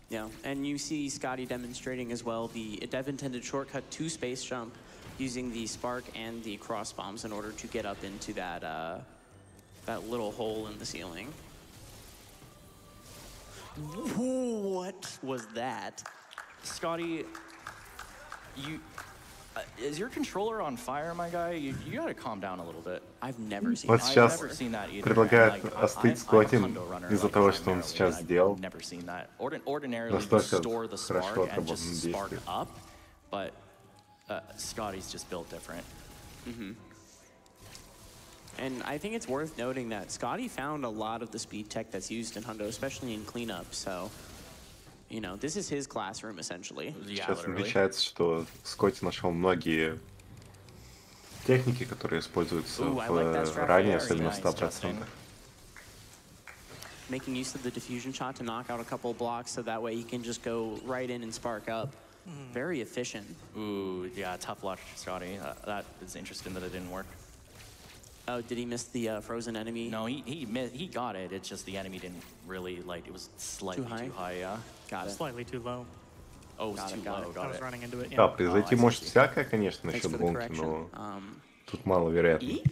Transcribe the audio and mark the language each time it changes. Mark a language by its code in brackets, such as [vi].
[en] Yeah, and you see Scotty demonstrating as well the dev intended shortcut to space jump using the spark and the cross bombs in order to get up into that... that little hole in the ceiling. What was that? Scotty, is your controller on fire, my guy? You gotta calm down a little bit. I've never seen that either. [ru] Предлагает остыть Скоттин из-за того, что он сейчас сделал. [en] Ordinarily, you store the spark and just spark up, but Scotty's just built different. Mm-hmm. And I think it's worth noting that Scotty found a lot of the speed tech that's used in Hundo, especially in cleanup. So, you know, this is his classroom essentially. [ru] Сейчас замечается, что Скотти нашел многие техники, которые используются ранее, особенно 100%. [en] Making use of the diffusion shot to knock out a couple of blocks, so that way he can just go right in and spark up. Very efficient. Ooh, yeah, tough luck, Scotty. That is interesting that it didn't work. Oh, did he miss the frozen enemy? No, he got it. It's just the enemy didn't really, like, it was slightly too high, yeah. Got it. Slightly too low. Oh, it was too low, got it. I was running into it, [ru] yeah. Да, произойти может всякое, конечно, насчет гонки, но тут мало вероятно.